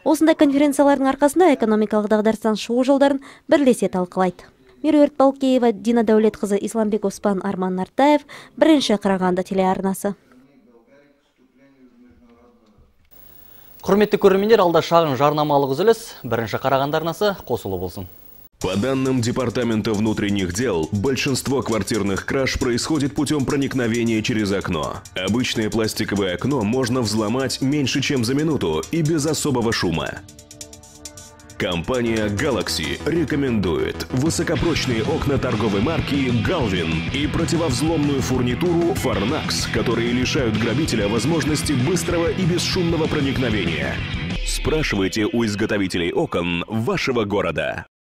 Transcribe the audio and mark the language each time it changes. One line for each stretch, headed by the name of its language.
Kazakh: Осындай конференциялардың арқасында экономикалық дағдарыстан шығу жолдарын бірлесе талқылайды. Меруерт Балкеева, Дина Дәулетқызы, Исламбек Оспан, Арман Нартаев, бірінші Қарағанды телеарнасы. Құрметті көрермендер, алда шағын жарнамалық үзіліс, бірінші Қарағанды арнасы қосулы болсын.
Russian: По данным Департамента внутренних дел, большинство квартирных краж происходит путем проникновения через окно. Обычное пластиковое окно можно взломать меньше, чем за минуту и без особого шума. Компания Galaxy рекомендует высокопрочные окна торговой марки Galvin и противовзломную фурнитуру Farnax, которые лишают грабителя возможности быстрого и бесшумного проникновения. Спрашивайте у изготовителей окон вашего города.